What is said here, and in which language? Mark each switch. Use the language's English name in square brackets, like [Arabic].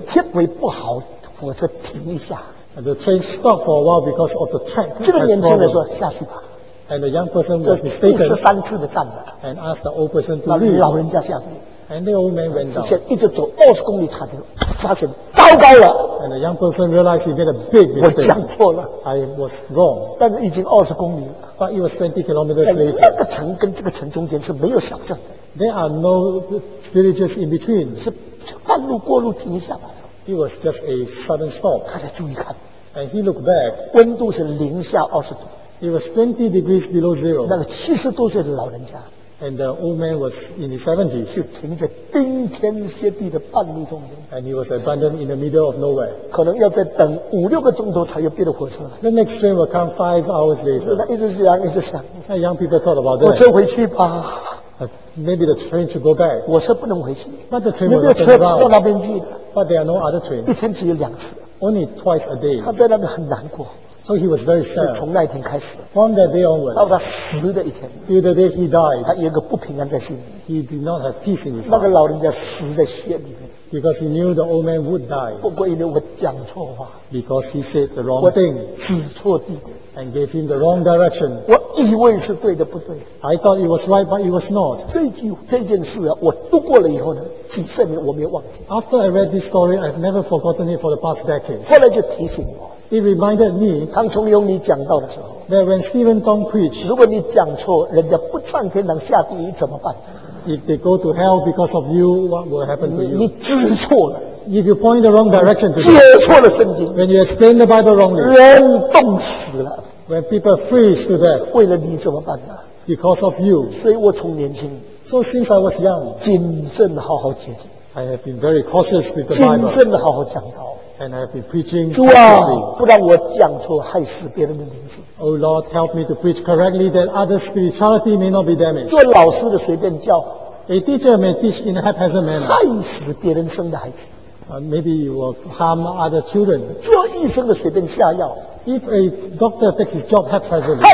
[Chinese] 是铁轨不好，火车停一下。 [English] And the train stopped for a while because of the track. [Chinese] 这个年轻人说下去吧。 [English] And the young person was mistaken. [Chinese] 这第13次的站了。 [English] And asked the old person to leave. [Chinese] 老人家下去。 [English] And the old man went down. [Chinese] 现在一直走20公里，他就发现糟糕了。 [English] And the young person realized he made a big mistake. [Chinese] 我讲错了。 [English] I was wrong. [Chinese] 但是已经20公里了。 [English] But it was 20 kilometers later. [Chinese] 在那个城跟这个城中间是没有小镇。 [English] There are no villages in between. [Chinese] 是半路过路停下来 [English] 了。It was just a sudden stop. [Chinese] 他才注意看。 [English] And he looked back. [Chinese] 温度是零下20度。 [English] It was 20 degrees below zero. [Chinese] 那个70多岁的老人家。 [English] And the old man was in his 70s. [Chinese] 就停在冰天雪地的半路中间。 [English] And he was abandoned in the middle of nowhere. [Chinese] 可能要再等五六个钟头才有别的火车。 [English] The next train will come 5 hours later. [Chinese] 他一直想，一直想。 [English] 那 young people thought about that. [Chinese] 我车回去吧。 [English] Maybe the train should go back. [Chinese] 我车不能回去。 [English] But the train will not turn around. [Chinese] 到那边去。 [English] But there are no other trains. [Chinese] 一天只有两次。 [English] Only twice a day. [Chinese] 他在那边很难过。 [English] So he was very sad. [Chinese] 从那一天开始 [English] ，from that day onwards， [Chinese] 到他死的一天 [English] ，till the day he died， [Chinese] 他有一个不平安在心里。 [English] He did not have peace in his heart. [Chinese] 那个老人家死在血里面。 [English] Because he knew the old man would die. [Chinese] 不过因为我讲错话。 [English] Because he said the wrong thing. [Chinese] 我指错地点。 [English] And gave him the wrong direction. [Chinese] 我以为是对的，不对。 [English] I thought it was right, but it was not. [Chinese] 这件事啊，我度过了以后呢，几十年我没有忘记。 [English] After I read this story, I've never forgotten it for the past decades. [Chinese] 后来就提醒我。 [English] It reminded me, [Chinese] 唐崇庸你讲到的时候 [English] that when Stephen Tong preached, [Chinese] 如果你讲错，人家不上天堂下地狱怎么办？ [English] If they go to hell because of you, what will happen to you? [Chinese] 你指错了。 [English] If you point the wrong direction to them, [Chinese] 接错了圣经。 [English] When you explain the Bible wrongly, [Chinese] 人冻死了。 [English] When people freeze to death, [Chinese] 为了你怎么办呢？ [English] Because of you. [Chinese] 所以我从年轻， [English] So since I was young, [Chinese] 谨慎好好解经。 [English] I have been very cautious with the Bible. [Chinese] 谨慎的好好讲道。 [English] And I have been preaching correctly. [Chinese] 主啊，不让我讲错，害死别人的灵性。 [English] Oh Lord, help me to preach correctly that other spirituality may not be damaged. [Chinese] 做老师的随便教。 [English] A teacher may teach in a haphazard manner. [Chinese] 害死别人生的孩子。 [English] Maybe you will harm other children. [Chinese] 做医生的随便下药。 [English] If a doctor takes his job haphazardly.